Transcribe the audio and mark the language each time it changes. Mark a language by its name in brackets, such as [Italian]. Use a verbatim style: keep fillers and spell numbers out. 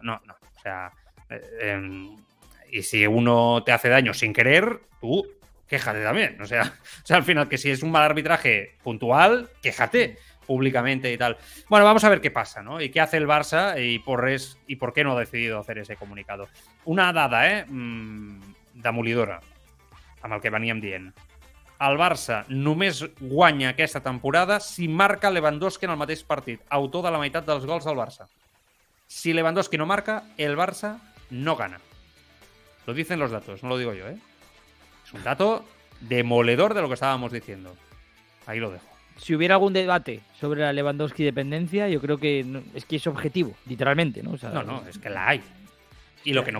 [Spanish] No, no, o sea, eh, eh, y si uno te hace daño sin querer, tú quéjate también, o sea, o sea, al final, que si es un mal arbitraje puntual, quéjate públicamente y tal. Bueno, vamos a ver qué pasa, ¿no? Y qué hace el Barça y por, es, y por qué no ha decidido hacer ese comunicado. [Catalan] Una dada, ¿eh? Mm, demolidora, amb el que veníem dient. El Barça només guanya aquesta temporada si marca Lewandowski en el mateix partit, autor de la meitat dels gols del Barça. [Spanish] Si Lewandowski no marca, el Barça no gana. Lo dicen los datos, no lo digo yo, ¿eh? Es un dato demoledor de lo que estábamos diciendo. Ahí lo dejo. Si hubiera algún debate sobre la Lewandowski dependencia, yo creo que no, es que es objetivo, literalmente, ¿no? O sea, no, no, es que la hay. Y lo que no